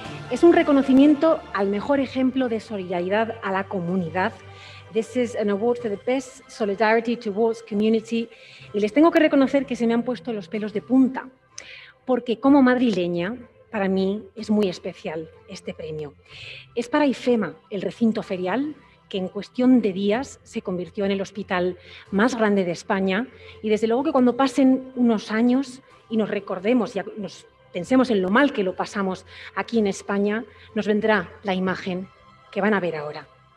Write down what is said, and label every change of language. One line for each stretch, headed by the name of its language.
Spanish: es un reconocimiento al mejor ejemplo de solidaridad a la comunidad.
English: This is an award for the best solidarity towards community.
Spanish: Y les tengo que reconocer que se me han puesto los pelos de punta, porque como madrileña, para mí es muy especial este premio. Es para IFEMA, el recinto ferial, que en cuestión de días se convirtió en el hospital más grande de España. Y desde luego que cuando pasen unos años y nos recordemos y nos pensemos en lo mal que lo pasamos aquí en España, nos vendrá la imagen que van a ver ahora.